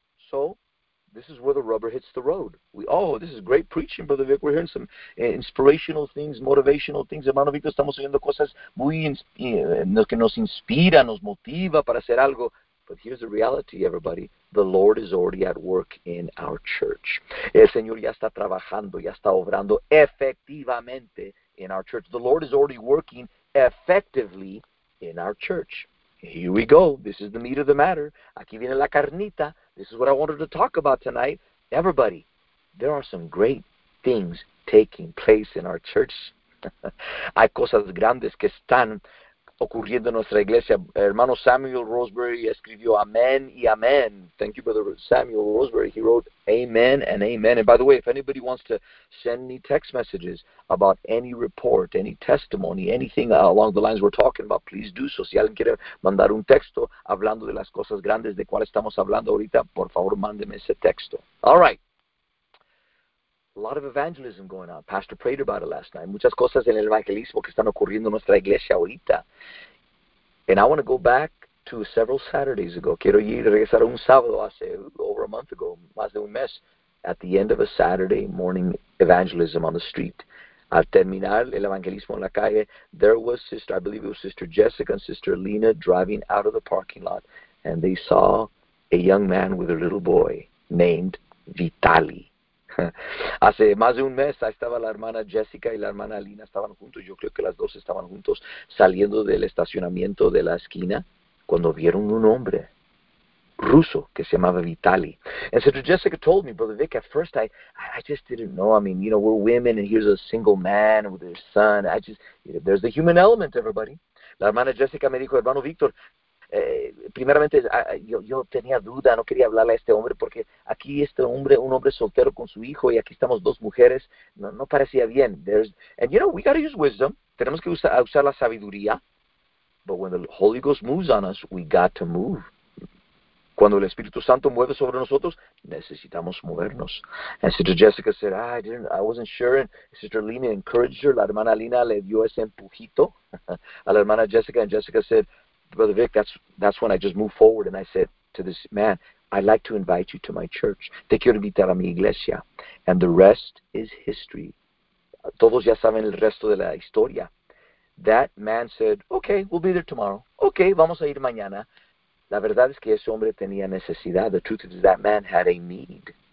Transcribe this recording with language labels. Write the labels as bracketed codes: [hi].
[en] So, this is where the rubber hits the road. This is great preaching, Brother Vic. We're hearing some inspirational things, motivational things. [es] Hermano Vic, estamos oyendo cosas muy que nos inspira, nos motiva para hacer algo. [en] But here's the reality, everybody. The Lord is already at work in our church. [es] El Señor ya está trabajando, ya está obrando efectivamente [en] in our church. The Lord is already working effectively in our church. Here we go. This is the meat of the matter. [es] Aquí viene la carnita. [en] This is what I wanted to talk about tonight. Everybody, there are some great things taking place in our church. [es] Hay cosas grandes que están ocurriendo en nuestra iglesia. Hermano Samuel Roseberry escribió amén y amén. [en] Thank you, Brother Samuel Roseberry. He wrote amen and amen. And by the way, if anybody wants to send me text messages about any report, any testimony, anything along the lines we're talking about, please do so. [es] Si alguien quiere mandar un texto hablando de las cosas grandes de cuál estamos hablando ahorita, por favor, mándeme ese texto. [en] All right. A lot of evangelism going on. Pastor prayed about it last night. [es] Muchas cosas en el evangelismo que están ocurriendo en nuestra iglesia ahorita. [en] And I want to go back to several Saturdays ago. [es] Quiero ir a regresar un sábado hace [en] over a month ago, [es] más de un mes, [en] at the end of a Saturday morning evangelism on the street. [es] Al terminar el evangelismo en la calle, [en] there was Sister, I believe it was Sister Jessica and Sister Lena driving out of the parking lot, and they saw a young man with a little boy named Vitali. [es] Hace más de un mes, ahí estaba la hermana Jessica y la hermana Lina, estaban juntos, yo creo que las dos estaban juntos, saliendo del estacionamiento de la esquina, cuando vieron un hombre ruso que se llamaba Vitali. [en] And Sister Jessica told me, Brother Vic, at first I just didn't know, I mean, you know, we're women and here's a single man with his son, I just, you know, there's the human element, everybody. [es] La hermana Jessica me dijo, hermano Víctor, primeramente yo tenía duda, no quería hablarle a este hombre porque aquí este hombre, un hombre soltero con su hijo y aquí estamos dos mujeres, no parecía bien. [en] There's, and you know, we gotta use wisdom, [es] tenemos que usar la sabiduría, [en] but when the Holy Ghost moves on us, we got to move. [es] Cuando el Espíritu Santo mueve sobre nosotros, necesitamos movernos. [en] And Sister Jessica said, I wasn't sure. And Sister Lena encouraged her, [es] la hermana Lena le dio ese empujito a la hermana Jessica, [en] and Jessica said, Brother Vic, that's when I just moved forward and I said to this man, I'd like to invite you to my church. [es] Te quiero invitar a mi iglesia. [en] And the rest is history. [es] Todos ya saben el resto de la historia. [en] That man said, okay, we'll be there tomorrow. [es] Okay, vamos a ir mañana. La verdad es que ese hombre tenía necesidad. [en] The truth is that man had a need.